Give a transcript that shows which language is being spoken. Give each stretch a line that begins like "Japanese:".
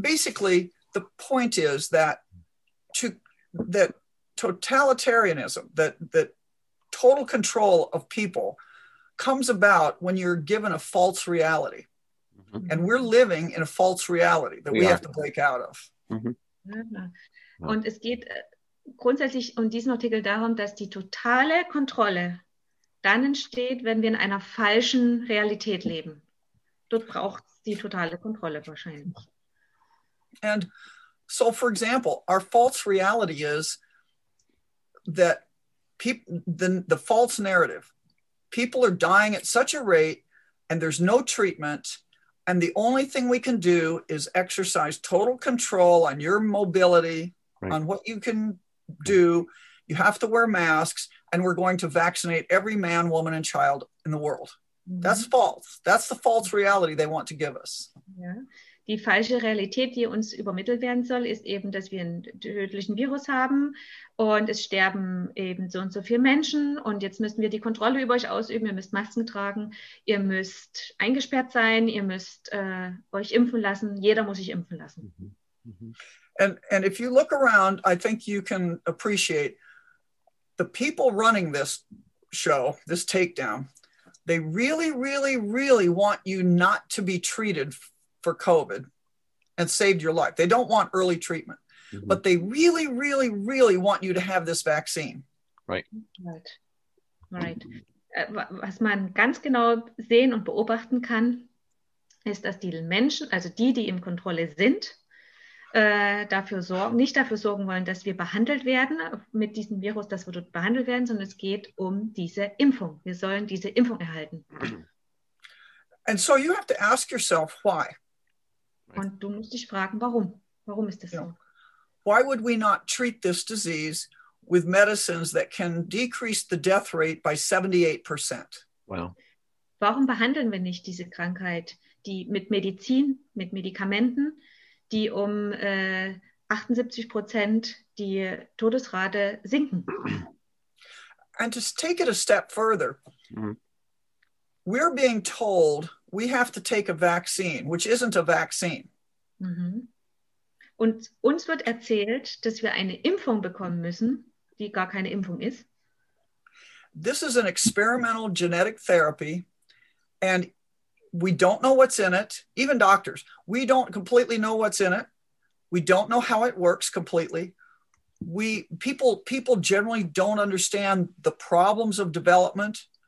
English: Basically, the point is that totalitarianism, that total control of people comes about when you're given a false reality. Mm-hmm. And we're living in a false reality that we have to break out of. Mm-hmm.
German: Und es geht grundsätzlich um diesen Artikel darum, dass die totale Kontrolle dann entsteht, wenn wir in einer falschen Realität leben. Dort braucht es die totale Kontrolle wahrscheinlich.
English: And so, for example, our false reality is that the false narrative. People are dying at such a rate and there's no treatment and the only thing we can do is exercise total control on your mobility, right, on what you can do. You have to wear masks and we're going to vaccinate every man, woman and child in the world. Mm-hmm. That's false. That's the false reality they want to give us. Yeah.
German: Die falsche Realität, die uns übermittelt werden soll, ist eben, dass wir einen tödlichen Virus haben. Und es sterben eben so und so viele Menschen und jetzt müssen wir die Kontrolle über euch ausüben. Ihr müsst Masken tragen, ihr müsst eingesperrt sein, ihr müsst euch impfen lassen. Jeder muss sich impfen lassen.
English: And if you look around, I think you can appreciate the people running this show, this takedown. They really, really, really want you not to be treated for COVID and saved your life. They don't want early treatment. Mm-hmm. But they really, really, really want you to have this vaccine. Right. Right. Right.
German: Was man ganz genau sehen und beobachten kann, ist, dass die Menschen, also die, die in Kontrolle sind, nicht dafür sorgen wollen, dass wir behandelt werden mit diesem Virus, dass wir dort behandelt werden, sondern es geht um diese Impfung. Wir sollen diese Impfung erhalten.
English: And so you have to ask yourself, why?
German: Und du musst dich fragen, warum? Warum ist das so?
English: Why would we not treat this disease with medicines that can decrease the death rate by 78%? Wow.
German: Warum behandeln wir nicht diese Krankheit, die mit Medizin, mit Medikamenten, die um 78% die Todesrate sinken.
English: And to take it a step further, mm-hmm. we're being told we have to take a vaccine, which isn't a vaccine. Mm-hmm.
German: Und uns wird erzählt, dass wir eine Impfung bekommen müssen, die gar keine Impfung ist.
English: This is an experimental genetic therapy, and we don't know what's in it. Even doctors, we don't completely know what's in it. We don't know how it works completely. People generally don't understand the problems of development.